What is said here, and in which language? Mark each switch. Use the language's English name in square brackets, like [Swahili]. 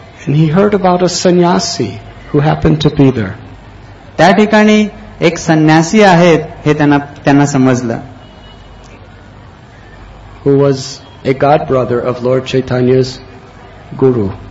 [English] And he heard about a sannyasi who happened to be there. [Marathi] त्या ठिकाणी एक संन्यासी आहेत हे त्यांना समजलं. [English] Who was a god brother of Lord Chaitanya's guru.